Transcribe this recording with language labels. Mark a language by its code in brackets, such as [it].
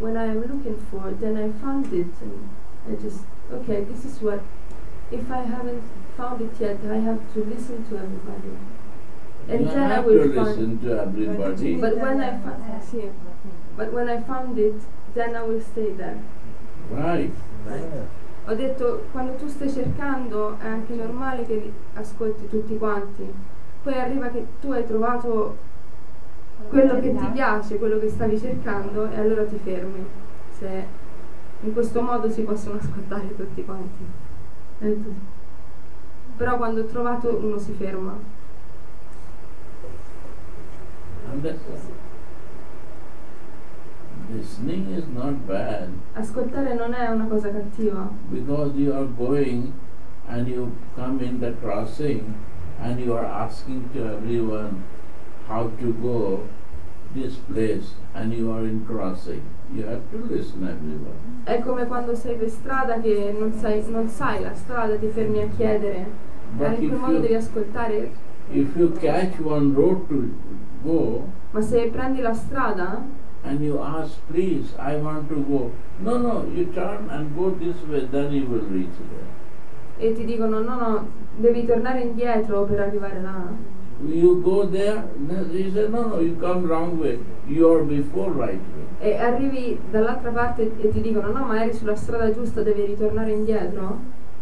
[en] When I am looking for, then I found it, and I just okay. This is what. If I haven't found it yet, I have to listen to everybody. And you then have I will to find listen to everybody. But when I found it, but when I found it, then I will stay there. Right. [it] Ho detto, quando tu stai cercando è anche normale che ascolti tutti quanti. Poi arriva che tu hai trovato quello che ti piace, quello che stavi cercando, e allora ti fermi. Se in questo modo si possono ascoltare tutti quanti. Però quando ho trovato uno si ferma. [en] Listening is not bad. [it] Ascoltare non è una cosa cattiva. [en] Because you are going and you come in the crossing and you are asking to everyone how to go this place and you are in crossing. You have to listen everyone. [it] È come quando sei per strada che non sai la strada, ti fermi a chiedere. [en] But [it] in quel modo devi ascoltare. [en] If you catch one road to go. [it] Ma se prendi la strada. [en] And you ask, please, I want to go. No, no, you turn and go this way, then you will reach there. [it] E ti dicono, no, no, devi tornare indietro per arrivare là. [en] You go there, they say, no, no, you come wrong way, you are before right way. [it] E arrivi dall'altra parte e ti dicono, no, ma eri sulla strada giusta, devi ritornare indietro.